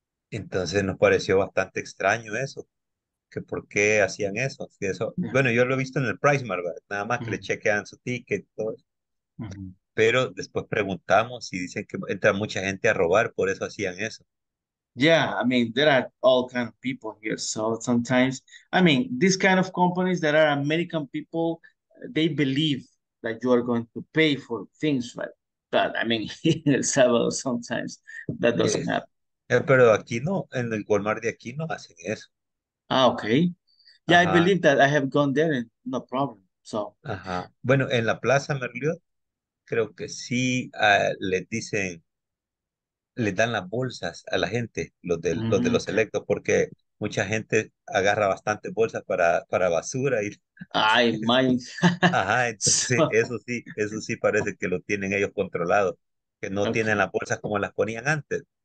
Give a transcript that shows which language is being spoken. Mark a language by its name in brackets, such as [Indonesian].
[Spanish] Entonces nos pareció bastante extraño eso, que por qué hacían eso. Y eso, yeah. Bueno, yo lo he visto en el Price Mart, ¿verdad? Nada más que le chequean su ticket y todo eso. Pero después preguntamos y dicen que entra mucha gente a robar, por eso hacían eso. [English] Yeah, I mean, there are all kind of people here. So sometimes, I mean, these kind of companies that are American people, they believe that you are going to pay for things, right? But I mean, in El Salvador, sometimes that doesn't happen. [Spanish] Yeah, pero aquí no, en el Walmart de aquí no hacen eso. Ah, okay. [English] Yeah, I believe that I have gone there and no problem. So. [Spanish] Bueno, en la Plaza Merliot, creo que sí les dicen, les dan las bolsas a la gente, los de los selectos, porque mucha gente agarra bastantes bolsas para basura. Y... Ay, my. Ajá, entonces eso sí parece que lo tienen ellos controlado, que no tienen las bolsas como las ponían antes.